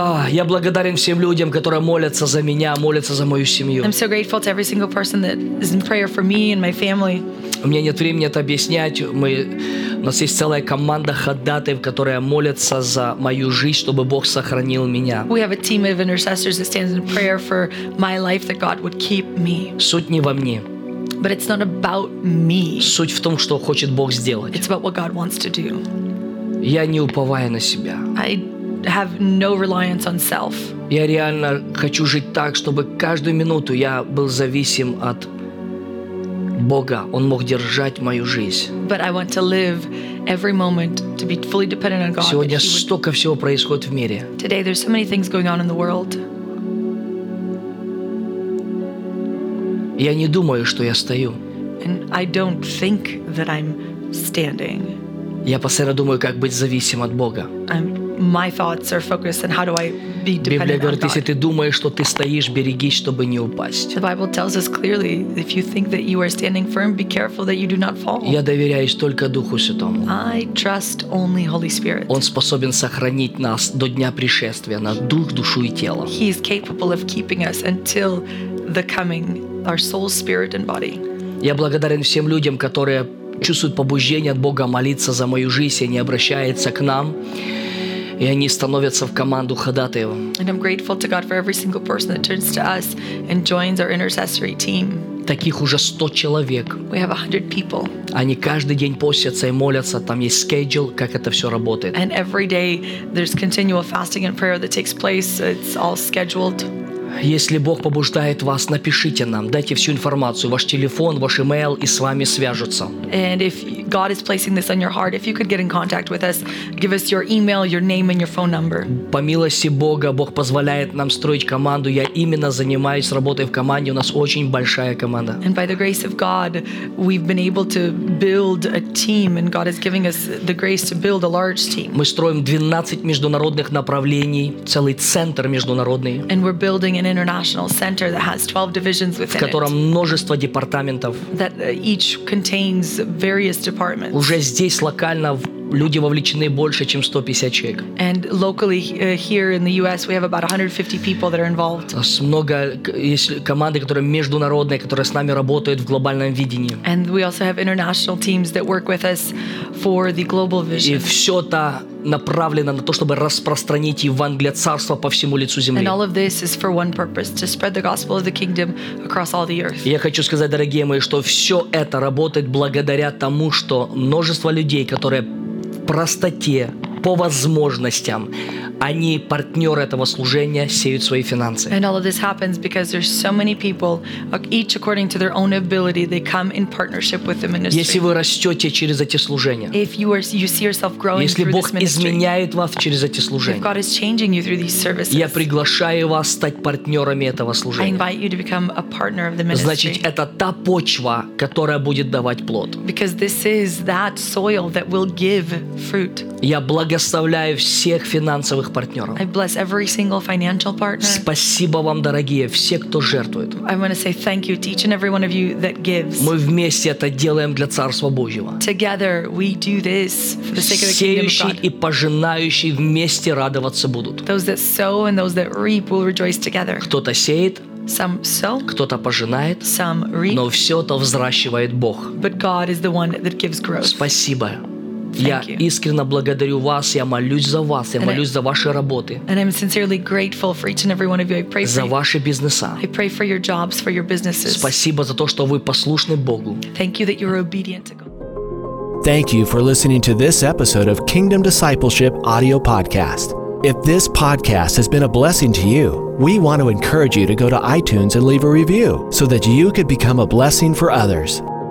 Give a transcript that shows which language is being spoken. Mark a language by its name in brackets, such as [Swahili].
[Russian] Я благодарен всем людям, которые молятся за меня, молятся за мою семью. [English] I'm so grateful to every single person that is in prayer for me and my family. [Russian] У меня нет времени это объяснять. У нас есть целая команда ходатаев, которые молятся за мою жизнь, чтобы Бог сохранил меня. [English] We have a team of intercessors that stands in prayer for my life, that God would keep me. [Russian] Суть не во мне. [English] But it's not about me. [Russian] Суть в том, что хочет Бог сделать. [English] It's about what God wants to do. [Russian] Я не уповаю на себя. [English] I have no reliance on self. [Russian] Я реально хочу жить так, чтобы каждую минуту я был зависим от Бога. Он мог держать мою жизнь. [English] But I want to live every moment to be fully dependent on God. [Russian] Сегодня столько всего происходит в мире. [English] Today there's so many things going on in the world. [Russian] Я не думаю, что я стою. [English] And I don't think that I'm standing. [Russian] Я постоянно думаю, как быть зависим от Бога. [English] My thoughts are focused on how do I be dependent on God. [Russian] Библия говорит, если ты думаешь, что ты стоишь, берегись, чтобы не упасть. [English] The Bible tells us clearly, if you think that you are standing firm, be careful that you do not fall. [Russian] Я доверяюсь только Духу Святому. [English] I trust only Holy Spirit. [Russian] Он способен сохранить нас до дня пришествия, на дух, душу и тело. [English] He is capable of keeping us until the coming, our soul, spirit and body. [Russian] Я благодарен всем людям, которые чувствуют побуждение от Бога молиться за мою жизнь, и они обращаются к нам. И они становятся в команду ходатаев. [English] And I'm grateful to God for every single person that turns to us and joins our intercessory team. [Russian] Таких уже 100 человек. [English] We have 100 people. [Russian] Они каждый день постятся и молятся. Там есть schedule, как это все работает. [English] And every day there's continual fasting and prayer that takes place. It's all scheduled. [Russian] Если Бог побуждает вас, напишите нам, дайте всю информацию, ваш телефон, ваш email, и с вами свяжутся. [English] And if God is placing this on your heart, if you could get in contact with us, give us your email, your name, and your phone number. [Russian] По милости Бога, Бог позволяет нам строить команду. Я именно занимаюсь работой в команде. У нас очень большая команда. [English] And by the grace of God, we've been able to build a team, and God is giving us the grace to build a large team. [Russian] Мы строим 12 международных направлений, целый центр международный. [English] And we're building an international center that has 12 divisions within it. [Russian] В котором множество департаментов. [English] That each contains various departments. [Russian] Уже здесь локально люди вовлечены больше, чем 150 человек. [English] And locally here in the US we have about 150 people that are involved. [Russian] Много есть команды, которые международные, которые с нами работают в глобальном видении. [English] And we also have international teams that work with us for the global vision. [Russian] И все это направлено на то, чтобы распространить Евангелие Царства по всему лицу земли. [English] And all of this is for one purpose, to spread the gospel of the kingdom across all the earth. [Russian] Я хочу сказать, дорогие мои, что все это работает благодаря тому, что множество людей, которые простоте, по возможностям, они партнеры этого служения, сеют свои финансы. [English] And all of this happens because there's so many people, each according to their own ability, they come in partnership with the ministry. [Russian] Если вы растете через эти служения, [English] if you are, you see yourself growing [Russian] если [English] through [Russian] Бог [English] this ministry, [Russian] изменяет вас через эти служения, [English] if God is changing you through these services, [Russian] я приглашаю вас стать партнерами этого служения. [English] I invite you to become a partner of the ministry. [Russian] Значит, это та почва, которая будет давать плод. [English] Because this is that soil that will give fruit. [Russian] Я благословляю всех финансовых партнеров. [English] I bless every single financial partner. [Russian] Спасибо вам, дорогие, все, кто жертвует. [English] I want to say thank you to each and every one of you that gives. [Russian] Мы вместе это делаем для Царства Божьего. [English] Together we do this for the sake of the kingdom of God. [Russian] Сеющие и пожинающие вместе радоваться будут. [English] Those that sow and those that reap will rejoice together. [Russian] Кто-то сеет. [English] Some sow, [Russian] кто-то пожинает, [English] some reap. [Russian] Но все это взращивает Бог. [English] But God is the one that gives growth. [Russian] Спасибо. Я искренне благодарю вас, я молюсь за вас, я молюсь за ваши работы. [English] And I'm sincerely grateful for each and every one of you. I pray for [Russian] за ваши бизнеса. [English] I pray for your jobs, for your businesses. [Russian] Спасибо за то, что вы послушны Богу. [English] Thank you that you're obedient to God. Thank you for listening to this episode of Kingdom Discipleship Audio Podcast. If this podcast has been a blessing to you, we want to encourage you to go to iTunes and leave a review so that you could become a blessing for others.